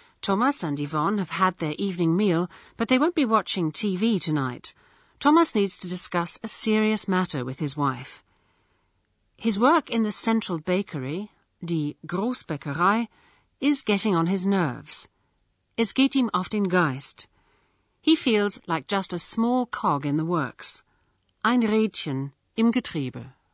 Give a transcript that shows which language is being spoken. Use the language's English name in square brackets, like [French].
[English] Thomas and Yvonne have had their evening meal, but they won't be watching TV tonight. Thomas needs to discuss a serious matter with his wife. His work in the central bakery, [German] die Großbäckerei, [English] is getting on his nerves. [German] Es geht ihm auf den Geist. [English] He feels like just a small cog in the works. [German] Ein Rädchen im Getriebe.